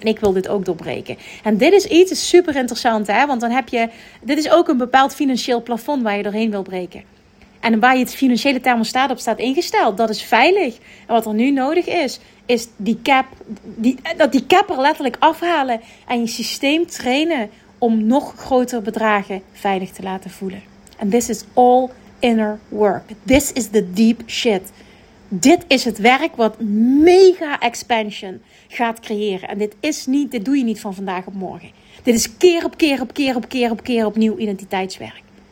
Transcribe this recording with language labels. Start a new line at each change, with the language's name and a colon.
Dutch: En ik wil dit ook doorbreken. En dit is iets super interessant, hè, want dan heb je, dit is ook een bepaald financieel plafond waar je doorheen wil breken. En waar je het financiële thermostaat op staat ingesteld, dat is veilig. En wat er nu nodig is, is die cap, dat die cap er letterlijk afhalen en je systeem trainen om nog grotere bedragen veilig te laten voelen.
English: And this is all inner work. This is the deep shit.
Dutch: Dit is het werk wat mega expansion gaat creëren. En dit doe je niet van vandaag op morgen. Dit is keer op keer op keer op keer op keer opnieuw identiteitswerk.